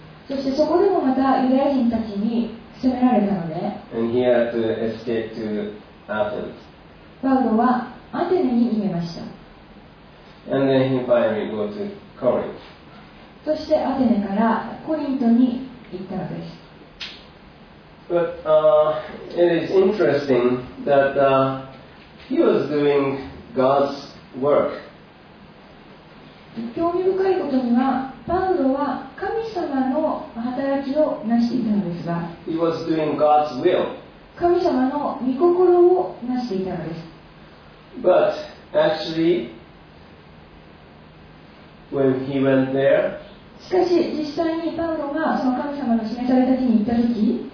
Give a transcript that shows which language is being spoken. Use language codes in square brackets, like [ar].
[ja] そしてそこでもまたユダヤ人たちに責められたので、 [en] And he had to escape to Athens. [ja] パウロはアテネに逃げました。 [en] And then he finally go to Corinth. [ja] そしてアテネからコリントに行ったのです。 [en] But it is interesting that he was doing God's work. [ja] 興味深いことには、パウロは神様の働きをなしていたのですが、 [en] He was doing God's will. [ja] 神様の御心をなしていたのです。 [en] But actually, when he went there, [ja] しかし実際にパウロがその神様の示された地に行った時、